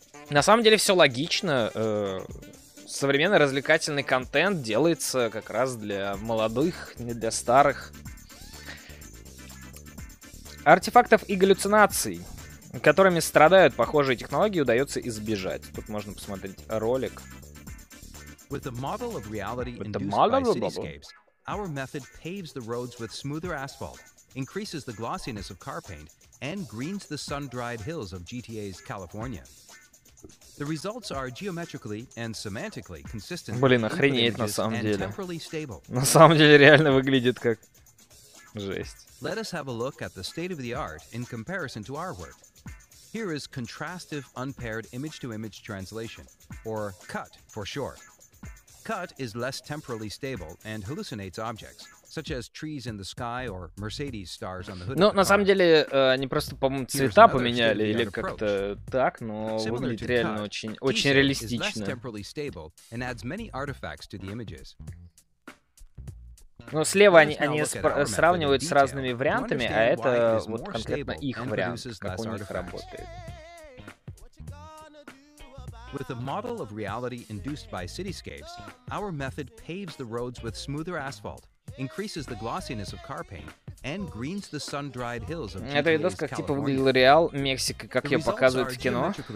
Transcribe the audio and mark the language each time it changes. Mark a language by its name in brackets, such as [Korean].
[Russian] На самом деле всё логично. Современный развлекательный контент делается как раз для молодых, не для старых. Артефактов и галлюцинаций, которыми страдают похожие технологии, удается избежать. Тут можно посмотреть ролик. [English] With the model of reality induced by cityscapes, our method paves the roads with smoother asphalt, increases the glossiness of car paint, and greens the sun-dried hills of GTA's California. The results are geometrically and semantically consistent. [Russian] Блин, охренеть на самом деле. На самом деле реально выглядит как жесть. [English] Let us have a look at the state of the art in comparison to our work. Here is contrastive unpaired image-to-image translation, or CUT for short. CUT is less temporally stable and hallucinates objects, such as trees in the sky or Mercedes stars on the hood. [Russian] Ну, на самом деле, они просто, по-моему, цвета поменяли или как-то так, но выглядит реально очень, очень реалистично. [English] Less temporally stable and adds many artifacts to the images. [Russian] Но слева они сравнивают с разными вариантами, а это вот конкретно их вариант, как у них работает. [English] With a model of reality induced by cityscapes, our method paves the roads with smoother asphalt, increases the glossiness of car paint, and greens the sun-dried hills of GTA's California. [Russian] Это как типа выглядел реал Мексика, как ее показывают в кино.